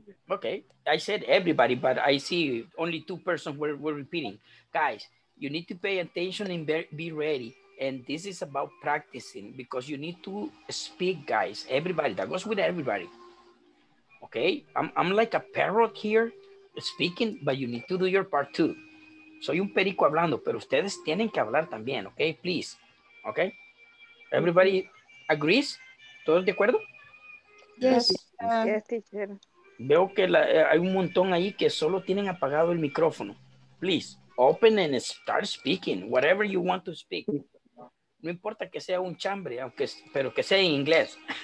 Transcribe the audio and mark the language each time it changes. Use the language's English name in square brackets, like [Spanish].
[English] Okay, I said everybody, but I see only two persons were repeating. Guys, you need to pay attention and be ready. And this is about practicing because you need to speak, guys. Everybody, that goes with everybody. Okay, I'm like a parrot here speaking, but you need to do your part too. [Spanish] Soy un perico hablando, pero ustedes tienen que hablar también, okay? [English] Please, okay? Everybody agrees? [Spanish] ¿Todos de acuerdo? [English] Yes, teacher. [Spanish] Veo que hay un montón ahí que solo tienen apagado el micrófono. [English] Please, open and start speaking, whatever you want to speak. [Spanish] No importa que sea un chambre, pero que sea en inglés.